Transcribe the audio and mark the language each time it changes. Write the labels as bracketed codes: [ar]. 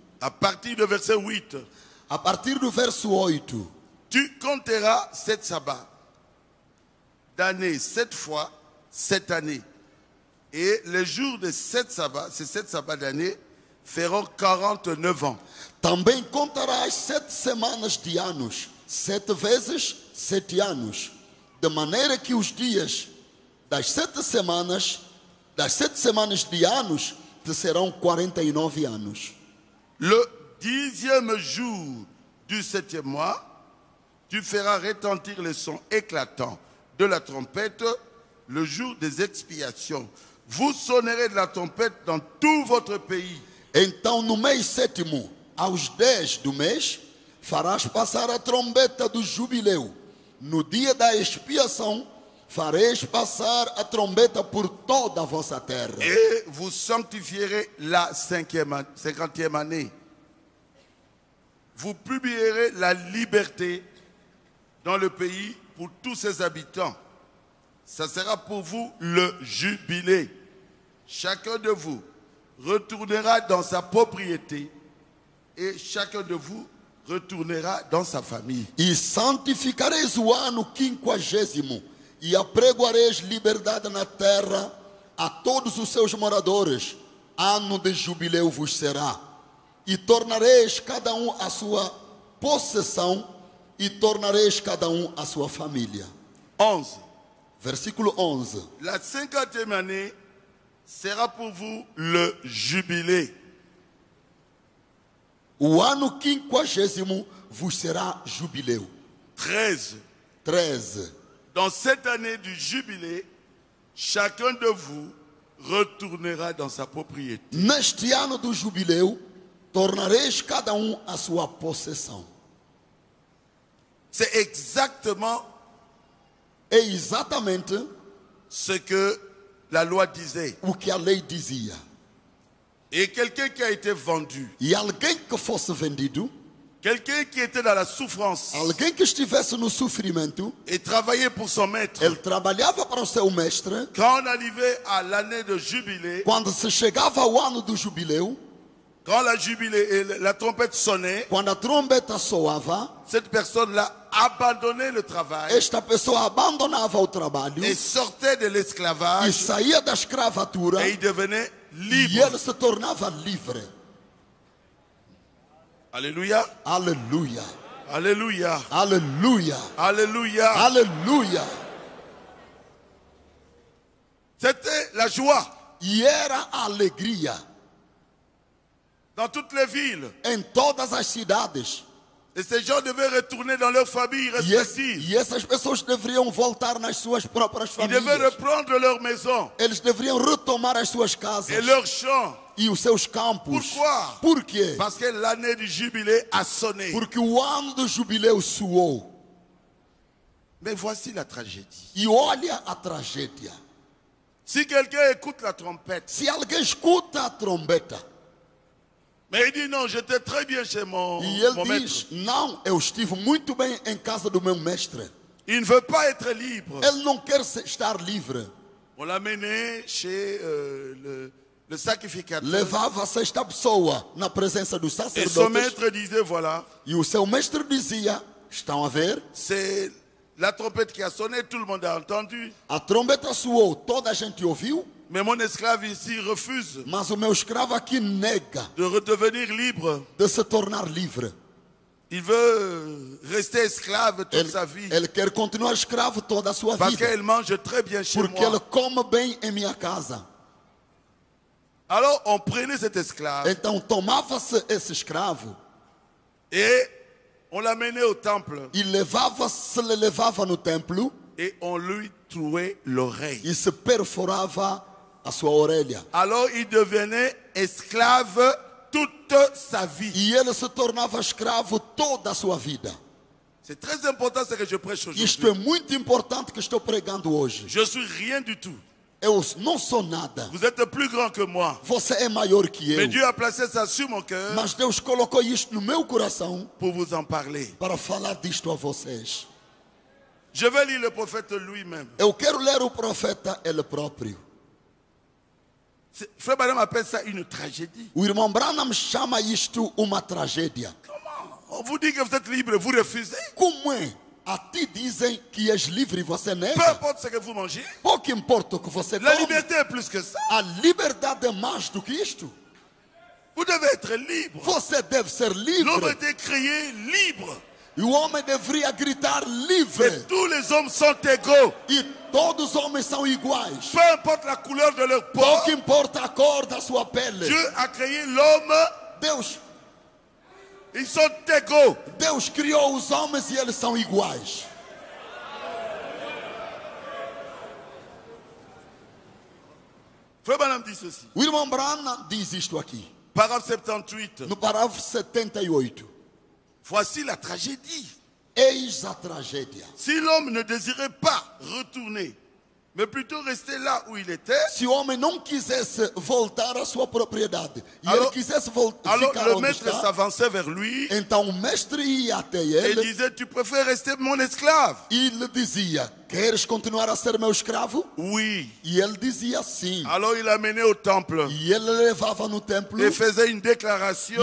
[fr] À partir de verset 8. [pt] A partir do verso 8. [fr] Tu compteras sept sabbats d'année, sept fois, sept années. Et les jours de sept sabbats, ces sept sabbats d'année, feront 49 ans. [pt] Também contarás sete semanas de anos, sete vezes sete anos. De maneira que os dias das sete semanas de anos, te serão 49 anos. [fr] Le dixième jour du septième mois, tu feras retentir le son éclatant de la trompette le jour des expiations. Vous sonnerez de la trompette dans tout votre pays. [pt] Então, no mês sétimo, aos 10 do mês, farás passar a trombeta do jubileu. No dia da expiação, fareis passar a trombeta por toda a vossa terra. [fr] Et vous sanctifierez la cinquantième année. Vous publierez la liberté dans le pays pour tous ses habitants. Ça sera pour vous le jubilé. Chacun de vous retournera dans sa propriété et chacun de vous retournera dans sa famille. [pt] E santificareis o ano quinquagésimo e apregoareis liberdade na terra a todos os seus moradores. Ano de jubileu vos será. E tornareis cada a sua possessão e tornareis cada à sua família. 11. Versículo 11. [fr] La cinquantième année sera pour vous le jubilé. [pt] O ano quinquagésimo [fr] vous sera [pt] jubiléo. 13. [fr] Dans cette année du jubilé, chacun de vous retournera dans sa propriété. [pt] Neste ano do jubileu, tornareis cada à sua possessão. [fr] C'est exactement et exactement ce que la loi disait. [pt] O que a lei dizia. [fr] Et quelqu'un qui a été vendu. [pt] E alguém que fosse vendido. [fr] Quelqu'un qui était dans la souffrance. [pt] Alguém que estivesse no sofrimento. [fr] Et travaillait pour son maître. [pt] Ele trabalhava para o seu mestre. [fr] Quand on arrivait à l'année de jubilé. [pt] Quando se chegava ao ano do jubileu. [fr] Quand la jubilé et la trompette sonnait. [pt] Quando a trombeta soava. [fr] Cette personne-là abandonnait le travail. [pt] Esta pessoa abandonava o trabalho. [fr] Et sortait de l'esclavage. [pt] E saía da escravatura. [fr] Et il devenait libre. [pt] E ele se tornava livre. [fr] Alléluia. Alléluia. Alléluia. Alléluia. Alléluia. Alléluia. C'était la joie. [pt] E era alegria. [fr] Dans toutes les villes. [pt] Em todas as cidades. [fr] Et ces gens devaient retourner dans leurs familles respectives. [pt] E essas pessoas deveriam voltar nas suas próprias famílias. [fr] Ils devaient reprendre leur maison. [pt] Eles deveriam retomar as suas casas. [fr] Et leurs champs. [pt] E os seus campos. [fr] Pourquoi? [pt] Por quê? [fr] Parce que l'année du jubilé a sonné. [pt] Porque o ano do jubileu soou. [fr] Mais voici la tragédie. [pt] E olha a tragédia. [fr] Si quelqu'un écoute la trompette. [pt] Se alguém escuta a trombeta. [fr] Mais il dit non, j'étais très bien chez mon maître. [pt] E ele [fr] mon [pt] diz, [fr] maître. [pt] Não, eu estive muito bem em casa do meu mestre. [fr] Il ne veut pas être libre. [pt] Ele não quer estar livre. [fr] On l'a mené chez le sacrificateur. [pt] Levava esta pessoa na presença do sacerdote. [fr] Et son maître disait voilà. [pt] E o seu mestre dizia, estão a ver? [fr] C'est la trompette qui a sonné, tout le monde a entendu. [pt] A trombeta soou, toda a gente ouviu. [fr] Mais mon esclave ici refuse. [pt] Mas o meu escravo aqui nega. [fr] De redevenir libre. [pt] De se tornar livre. [fr] Il veut rester esclave toute [pt] ele, [fr] sa vie. [pt] Ele quer continuar escravo toda a sua [fr] Parce [pt] vida. [fr] Parce qu'il mange très bien chez [pt] Porque [fr] moi. [pt] Ele come bem em minha casa. [fr] Alors on prenait cet esclave. [pt] Então tomava-se esse escravo. [fr] Et on l'amenait au temple. [pt] E levava no templo. [fr] Et on lui trouait l'oreille. [pt] E se perforava a sua orelha. [fr] Alors il devenait esclave toute sa vie. [pt] E ele se tornava escravo toda a sua vida. [fr] C'est très important ce que je prêche aujourd'hui. [pt] Isto é muito importante que estou pregando hoje. [fr] Je suis rien du tout. [pt] Eu não sou nada. [fr] Vous êtes plus grand que moi. [pt] Você é maior que eu. [fr] Mais Dieu a placé ça sur mon cœur. [pt] Mas Deus colocou isto no meu coração. [fr] Pour vous en parler. [pt] Para falar disto a vocês. [fr] Je vais lire le prophète lui-même. [pt] Eu quero ler o profeta ele próprio. [fr] Frère Branham appelle ça une tragédie. [pt] O irmão Branham chama isto uma tragédia. [fr] Comment? On vous dit que vous êtes libre, vous refusez? [pt] Como é? A ti dizem que és livre e você nega? [fr] Peu importe ce que vous mangez. [pt] Pouco importa o que você tome. [fr] La liberté est plus que ça. [pt] A liberdade é mais do que isto. [fr] Vous devez être libre. [pt] Você deve ser livre. [fr] L'homme était créé libre. [pt] E o homem deveria gritar livre. [fr] Et tous les hommes sont égaux. [pt] E todos os homens são iguais. [fr] Peu importe la couleur de leur peau. [pt] Pouco importa a cor da sua pele. [fr] Dieu a créé l'homme. [pt] Deus. [fr] Ils sont égaux. [pt] Deus criou os homens e eles são iguais. Frère Branham diz [fr] ceci. [pt] O irmão Branham diz isto aqui. Parágrafo 78. No parágrafo 78. [fr] Voici la tragédie. [pt] Eis a tragédia. [fr] Si l'homme ne désirait pas retourner, mais plutôt rester là où il était. [pt] Se o homem não quisesse voltar à sua propriedade, [fr] alors, [pt] e ele quisesse voltar. [fr] Alors [pt] ficar [fr] le maître s'avançait vers lui. [pt] Então o mestre ia até ele. [fr] Et disait, tu préfères rester mon esclave? [pt] E ele dizia, queres continuar a ser meu escravo? [fr] Oui. [pt] E ele dizia sim. [fr] Alors il amenait au temple. [pt] E ele levava no templo. [fr] Et faisait une déclaration.